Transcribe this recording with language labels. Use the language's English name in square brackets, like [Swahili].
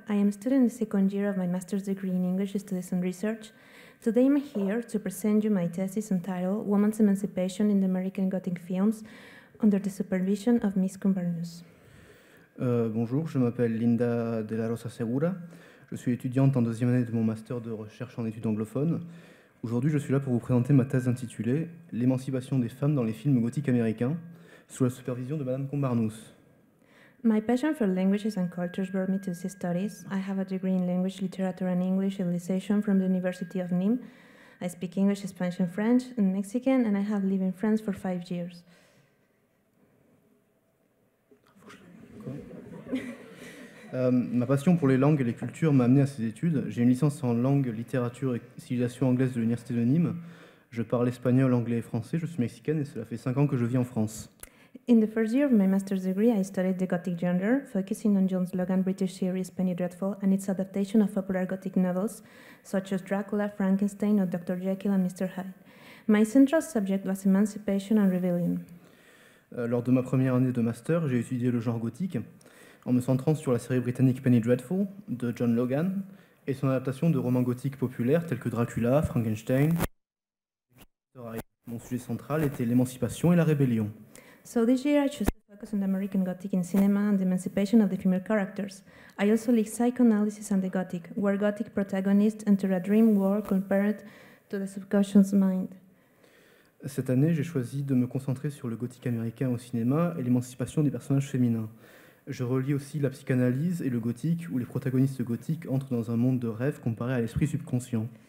[English] I am a student in the second year of my master's degree in English Studies and Research. Today I'm here to present you my thesis entitled Woman's Emancipation in the American Gothic Films under the supervision of Miss Cumbernus. [French] Bonjour, je m'appelle Linda de la Rosa Segura. Je suis étudiante en deuxième année de mon master de recherche en études anglophones. Aujourd'hui, je suis là pour vous présenter ma thèse intitulée L'émancipation des femmes dans les films gothiques américains sous la supervision de Madame Cumbernus. [English] My passion for languages and cultures brought me to these studies. I have a degree in language, literature, and English civilization from the University of Nîmes. I speak English, Spanish, and French, and Mexican, and I have lived in France for 5 years. [French] Ma passion pour les langues et les cultures m'a amené à ces études. J'ai une licence en langue, littérature et civilisation anglaise de l'Université de Nîmes. Je parle espagnol, anglais et français. Je suis mexicaine et cela fait 5 ans que je vis en France. [English] In the first year of my master's degree, I studied the Gothic genre, focusing on John Logan's British series Penny Dreadful and its adaptation of popular Gothic novels such as Dracula, Frankenstein, or Dr. Jekyll and Mr. Hyde. My central subject was emancipation and rebellion. [French] Lors de ma première année de master, j'ai étudié le genre gothique en me centrant sur la série britannique Penny Dreadful de John Logan et son adaptation de romans gothiques populaires tels que Dracula, Frankenstein. Mon sujet central était l'émancipation et la rébellion. [English] So this year I chose to focus on the American Gothic in cinema and the emancipation of the female characters. I also like psychoanalysis and the Gothic, where Gothic protagonists enter a dream world compared to the subconscious mind. [French] Cette année, j'ai choisi de me concentrer sur le gothique américain au cinéma et l'émancipation des personnages féminins. Je relie aussi la psychanalyse et le gothique, où les protagonistes gothiques entrent dans un monde de rêve comparé à l'esprit subconscient.